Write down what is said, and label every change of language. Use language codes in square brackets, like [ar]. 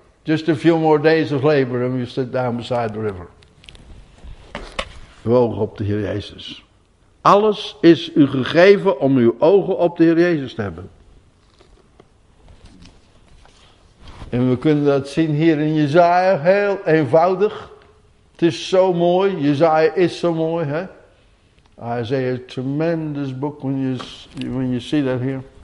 [en] Just a few more days of labor and you sit down beside the river. [nl] Uw ogen op de Heer Jezus. Alles is u gegeven om uw ogen op de Heer Jezus te hebben. En we kunnen dat zien hier in Jesaja, heel eenvoudig. Het is zo mooi, Jesaja is zo mooi, hè. [en] Isaiah, a tremendous book when you see that here.